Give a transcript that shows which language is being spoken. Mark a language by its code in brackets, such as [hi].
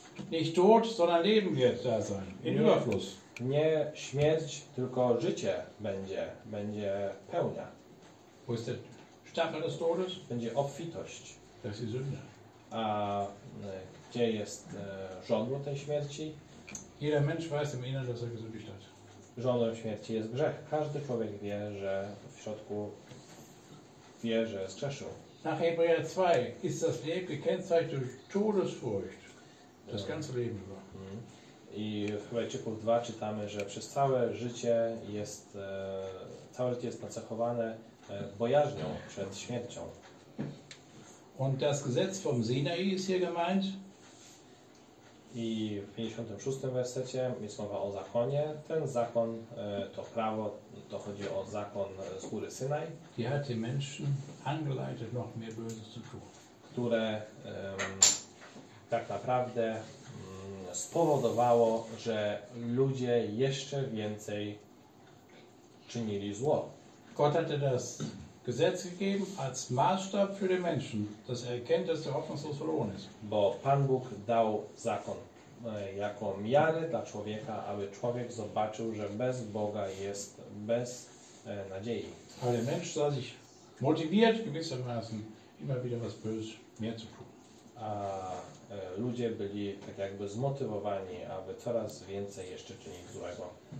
[de] Nicht tot, sondern leben wird da sein. In Überfluss. [pl] Nie śmierć, tylko życie będzie pełnia. [de] Wo ist der Stachel des Todes? [pl] Będzie obfitość. [de] Das ist Sünde. [pl] A gdzie jest żądło tej śmierci? [de] Jeder Mensch weiß im Inneren, dass er gesündigt hat. [pl] Żądłem śmierci jest grzech. Każdy człowiek wie, że w środku wie, że zgrzeszył. [de] Nach Hebräer 2 ist das Leben gekennzeichnet durch Todesfurcht. Das ganze Leben über. [pl] I w Hebrajczyków 2 czytamy, że przez całe życie jest nacechowane bojaźnią przed śmiercią. [de] Und das Gesetz vom Sinai ist hier gemeint. [pl] I w 56 wersecie jest mowa o zakonie. Ten zakon, to prawo, to chodzi o zakon z góry Synaj. [de] Die hat die Menschen angeleitet, noch mehr Böses zu tun. [pl] Które tak naprawdę spowodowało, że ludzie jeszcze więcej czynili zło. [de] Gott hatte das Gesetz gegeben als Maßstab für den Menschen, dass er erkennt, dass der hoffnungslos verloren ist. [pl] Bo Pan Bóg dał zakon jako miarę dla człowieka, aby człowiek zobaczył, że bez Boga jest bez nadziei. [de] Ale Mensch sah sich motiviert gewissermaßen immer wieder was Böses mehr zu tun. [pl] A ludzie byli tak jakby zmotywowani, aby coraz więcej jeszcze czynić złego.